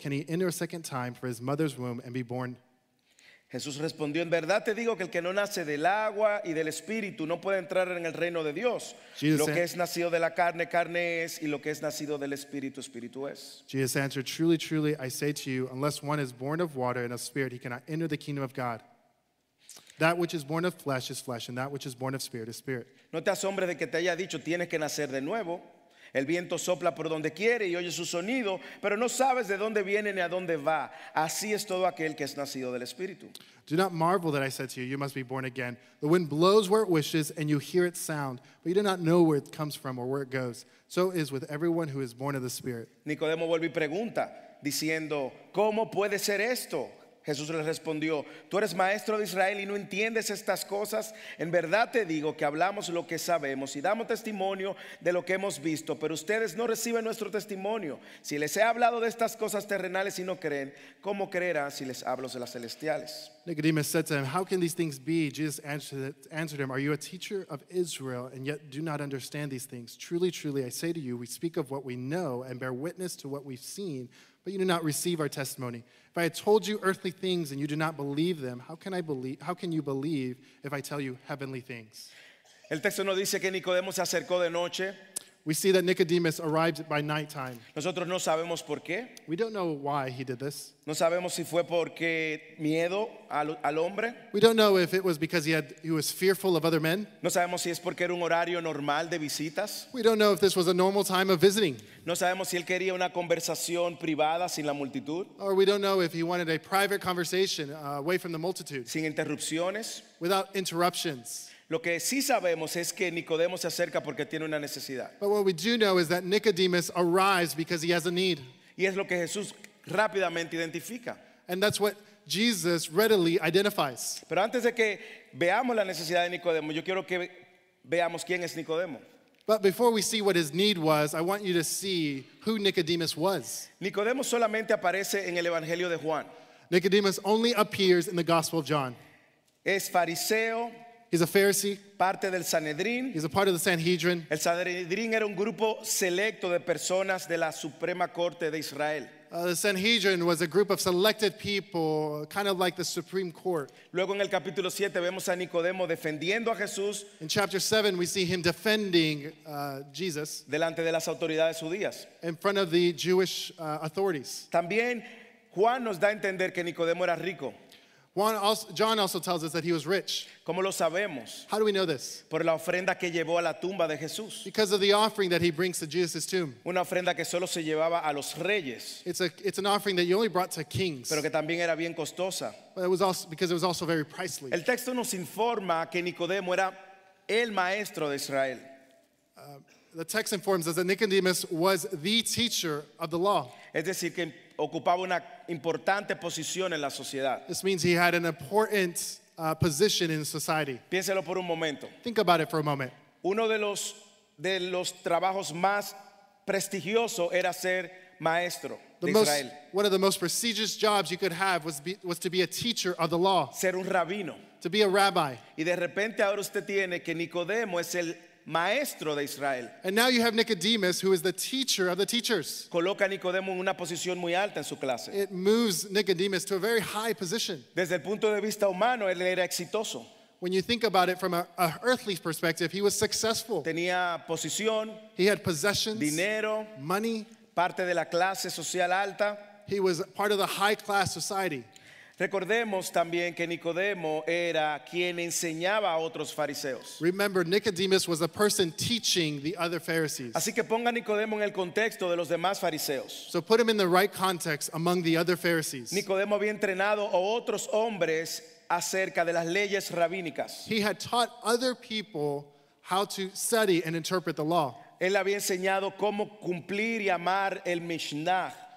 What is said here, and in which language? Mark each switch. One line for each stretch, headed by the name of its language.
English: Can he enter a second time for his mother's womb and be born?
Spanish: Jesús respondió, en verdad te digo que el que no nace del agua y del espíritu no puede entrar en el reino de Dios. Lo que es nacido de la carne, carne es, y lo que es nacido del espíritu, espíritu es.
English: Jesus answered, truly, truly, I say to you, unless one is born of water and of spirit, he cannot enter the kingdom of God. That which is born of flesh is flesh, and that which is born of spirit is spirit.
Spanish: No te asombres de que te haya dicho, tienes que nacer de nuevo. El viento sopla por donde quiere y oye su sonido, pero no sabes de dónde viene ni a dónde va. Así es todo aquel que es nacido del Espíritu.
English: Do not marvel that I said to you, you must be born again. The wind blows where it wishes, and you hear its sound, but you do not know where it comes from or where it goes. So is with everyone who is born of the Spirit.
Spanish: Nicodemo vuelve y pregunta, diciendo, ¿cómo puede ser esto? Jesús le respondió, tú eres maestro de Israel y no entiendes estas cosas. En verdad te digo que hablamos lo que sabemos y damos testimonio de lo que hemos visto, pero ustedes no reciben nuestro testimonio. Si les he hablado de estas cosas terrenales y no creen, ¿cómo creerán si les hablo de las celestiales?
English: Nicodemus said to him, how can these things be? Jesus answered him, are you a teacher of Israel and yet do not understand these things? Truly, truly, I say to you, we speak of what we know and bear witness to what we've seen, but you do not receive our testimony. If I had told you earthly things and you do not believe them, how can you believe if I tell you heavenly things?
Spanish: El texto no dice que Nicodemo se acercó de noche.
English: We see that Nicodemus arrived by nighttime.
Spanish: Nosotros no sabemos por qué.
English: We don't know why he did this.
Spanish: No sabemos si fue porque miedo al hombre.
English: We don't know if it was because he was fearful of other men.
Spanish: No sabemos si es porque era un horario normal de visitas.
English: We don't know if this was a normal time of visiting.
Spanish: No sabemos si él quería una conversación privada sin la multitud.
English: Or we don't know if he wanted a private conversation away from the multitude.
Spanish: Sin interrupciones.
English: Without interruptions.
Spanish: Lo que sí sabemos es que Nicodemo se acerca porque tiene una necesidad.
English: But what we do know is that Nicodemus arrives because he has a need.
Spanish: Y es lo que Jesús rápidamente identifica.
English: And that's what Jesus readily identifies.
Spanish: Pero antes de que veamos la necesidad de Nicodemo, yo quiero que veamos quién es Nicodemo.
English: But before we see what his need was, I want you to see who Nicodemus was.
Spanish: Nicodemo solamente aparece en el Evangelio de Juan.
English: Nicodemus only appears in the Gospel of John.
Spanish: Es fariseo.
English: He's a Pharisee.
Spanish: Parte del Sanedrín.
English: He's a part of the Sanhedrin.
Spanish: El Sanedrín era un grupo selecto de personas de la Suprema Corte de Israel.
English: The Sanhedrin was a group of selected people, kind of like the Supreme Court.
Spanish: Luego en el capítulo 7 vemos a Nicodemo defendiendo a Jesús.
English: In chapter 7 we see him defending Jesus.
Spanish: Delante de las autoridades judías.
English: In front of the Jewish authorities.
Spanish: También Juan nos da a entender que Nicodemo era rico.
English: John also tells us that he was rich.
Spanish: ¿Cómo lo sabemos?
English: How do we know this?
Spanish: Por la ofrenda que llevó a la tumba de Jesús.
English: Because of the offering that he brings to Jesus' tomb.
Spanish: Una ofrenda que solo se llevaba a los reyes.
English: It's an offering that you only brought to kings.
Spanish: Pero que también era bien costosa.
English: But it was also because it was also very pricely.
Spanish: El texto nos informa que Nicodemo era el maestro de Israel.
English: The text informs us that Nicodemus was the teacher of the law.
Spanish: Es decir, que ocupaba una importante posición en la sociedad.
English: This means he had an important position in society.
Spanish: Piénselo por un momento.
English: Think about it for a moment.
Spanish: Uno de los trabajos más prestigiosos era ser maestro de Israel.
English: One of the most prestigious jobs you could have was to be a teacher of the law.
Spanish: Ser un rabino.
English: To be a rabbi.
Spanish: Y de repente ahora usted tiene que Nicodemo es el maestro de Israel.
English: And now you have Nicodemus, who is the teacher of the teachers.
Spanish: Coloca a Nicodemo en una posición muy alta en su clase.
English: It moves Nicodemus to a very high position.
Spanish: Desde el punto de vista humano, él era exitoso.
English: When you think about it from a earthly perspective, he was successful.
Spanish: Tenía posición,
English: he had possessions,
Spanish: dinero,
English: money,
Spanish: parte de la clase social alta.
English: He was part of the high class society.
Spanish: Recordemos también que Nicodemo era quien enseñaba a otros fariseos.
English: Remember, Nicodemus was a person teaching the other Pharisees.
Spanish: Así que ponga a Nicodemo en el contexto de los demás fariseos.
English: So put him in the right context among the other Pharisees.
Spanish: Nicodemo había entrenado a otros hombres acerca de las leyes rabínicas.
English: He had taught other people how to study and interpret the law.
Spanish: Él había enseñado cómo cumplir y amar el Mishnah.